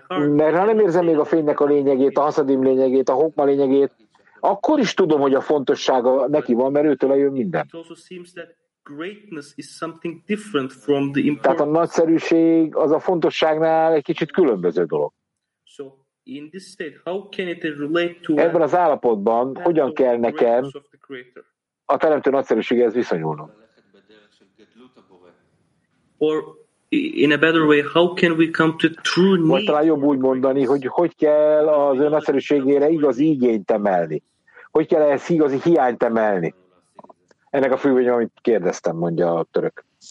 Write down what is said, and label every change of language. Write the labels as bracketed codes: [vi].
[hu] Mert ha nem érzem még a fénynek a lényegét, a haszadim lényegét, a hokma lényegét, akkor is tudom, hogy a fontossága neki van, mert őtől jön minden. [en] Greatness is something different from the important. [hu] Tehát a nagyszerűség az a fontosságnál egy kicsit különböző dolog. [en] So in this state, how can it relate to? [hu] Ebben az állapotban hogyan kell nekem a teremtő nagyszerűséghez viszonyulnom? Or in a better way, how can we come to true need? Vagy talán jobb úgy mondani, hogy kell az ön nagyszerűségére igazi igényt emelni? Hogy kell ezt igazi hiányt emelni? Ennek a függvénye, amit kérdeztem, mondja a török.